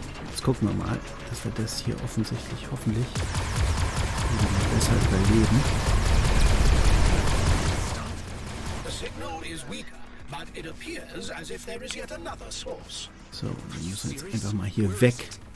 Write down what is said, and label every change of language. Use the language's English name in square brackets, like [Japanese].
[German] Jetzt gucken wir mal, dass wir das hier offensichtlich, hoffentlich, besser überleben. [English] The signal is weaker, but it appears as if there is yet another source. [German] So, wir müssen jetzt einfach mal hier weg.